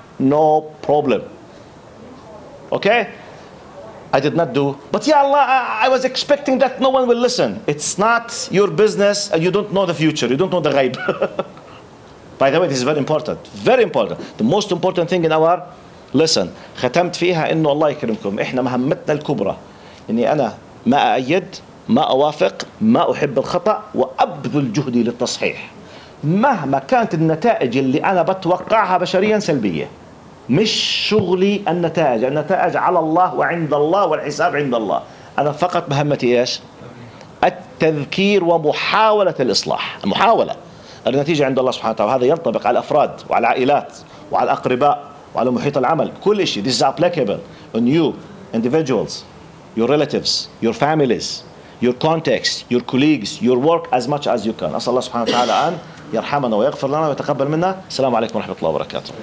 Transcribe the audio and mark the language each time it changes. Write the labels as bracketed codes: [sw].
[en] No problem. Okay? I did not do. But yeah, Allah, I was expecting that no one will listen. It's not your business and you don't know the future. You don't know the ghaib. By the way, this is very important. Very important. The most important thing in our listen, [ar] ختمت فيها إنه الله يكرمكم. إحنا مهمتنا الكبرى إني أنا ما أأيد ما أوافق ما أحب الخطأ وأبذل جهدي للتصحيح مهما كانت النتائج اللي أنا بتوقعها بشريا سلبية. مش شغلي النتائج, النتائج على الله وعند الله والحساب عند الله. أنا فقط مهمتي إيش؟ التذكير ومحاولة الإصلاح, محاولة النتيجة عند الله سبحانه وتعالى. هذا ينطبق على الأفراد وعلى العائلات وعلى الأقرباء وعلى محيط العمل, كل شيء. [en] This is applicable on you, individuals, your relatives, your families, your context, your colleagues, your work, as much as you can. [ar] أسأل الله سبحانه وتعالى أن يرحمنا ويغفر لنا ويتقبل منا. السلام عليكم ورحمة الله وبركاته.